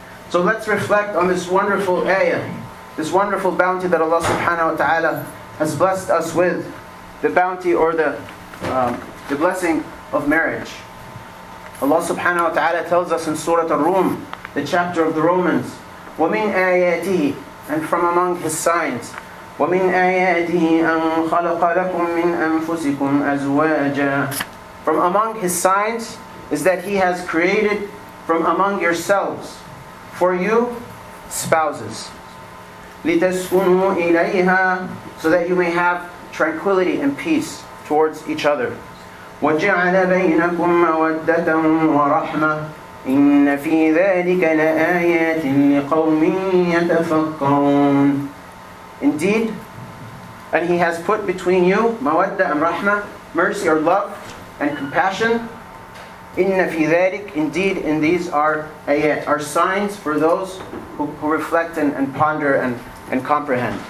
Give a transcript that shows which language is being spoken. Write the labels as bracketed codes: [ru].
[en] So let's reflect on this wonderful ayah, this wonderful bounty that Allah subhanahu wa ta'ala has blessed us with, the bounty or the blessing of marriage. Allah subhanahu wa ta'ala tells us in Surah Ar-Rum, the chapter of the Romans. [ar] ومن آياته, [en] and from among his signs. [ar] ومن آياته أن خلق لكم من أنفسكم أزواجا. [en] From among his signs is that he has created from among yourselves, for you, spouses. [ar] لتسكنوا إليها, [en] so that you may have tranquility and peace towards each other. [ar] وجعل بينكم مودة ورحمة. إن في ذلك لآيات لقوم يتفكرون. [en] Indeed, and he has put between you mawadda and rahma, mercy or love and compassion. [ar] إن في ذلك, [en] indeed, in these are ayat, are signs for those who reflect and ponder and comprehend.